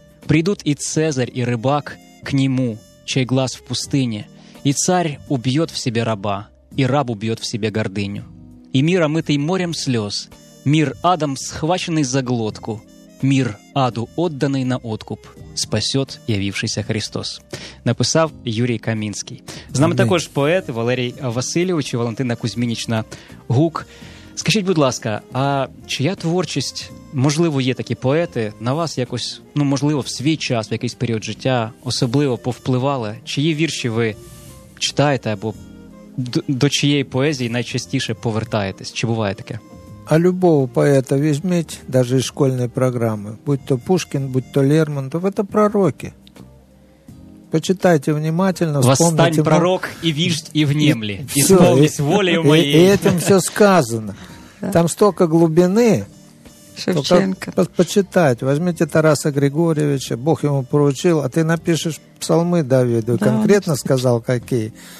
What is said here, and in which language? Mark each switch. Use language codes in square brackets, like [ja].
[ru] Придут и Цезарь, и рыбак к нему, чей глаз в пустыне, и царь убьет в себе раба, и раб убьет в себе гордыню. И мир, омытый морем слез, мир адом схваченный за глотку, мир аду отданный на откуп, спасет явившийся Христос. [uk] Написав Юрій Камінський. З нами також поет Валерій Васильович і Валентина Кузьмінічна Гук. Скажіть, будь ласка, а чия творчість, можливо, є такі поети, на вас якось, ну, можливо, в свій час, в якийсь період життя особливо повпливали? Чиї вірші ви читаєте або до чиєї поезії найчастіше повертаєтесь? Чи буває таке? А любого поета візьміть, даже із школьної програми, будь то Пушкін, будь то Лермонтов, це пророки. [ru] Почитайте внимательно, вспомните. Восстань, пророк, и виждь, и внемли, исполнись волею моей. И этим все сказано. Там столько глубины. Шевченко. Почитайте. Возьмите Тараса Григорьевича, Бог ему поручил, а ты напишешь псалмы Давиду, конкретно сказал, какие.